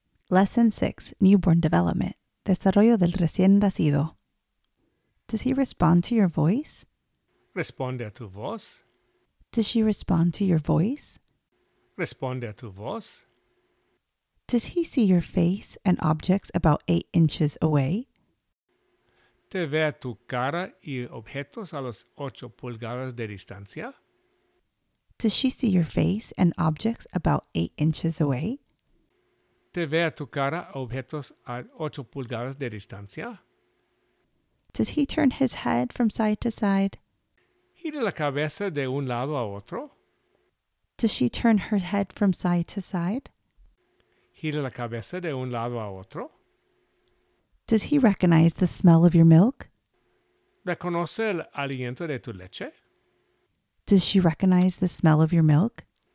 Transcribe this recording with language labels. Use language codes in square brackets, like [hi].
[en] Lesson 6, Newborn Development. [es] Desarrollo del recién nacido. [en] Does he respond to your voice? [es] Responde a tu voz. [en] Does she respond to your voice? [es] Responde a tu voz. [en] Does he see your face and objects about 8 inches away? [es] ¿Te ve tu cara y objetos a las 8 pulgadas de distancia? [en] Does she see your face and objects about 8 inches away? [es] ¿Te ve tu cara y objetos a 8 pulgadas de distancia? [en] Does he turn his head from side to side? [es] ¿Gira la cabeza de un lado a otro? [en] Does she turn her head from side to side? [es] ¿Gira la cabeza de un lado a otro? [en] Does he recognize the smell of your milk? [es] ¿Reconoce el aliento de tu leche? [en] Does she recognize the smell of your milk?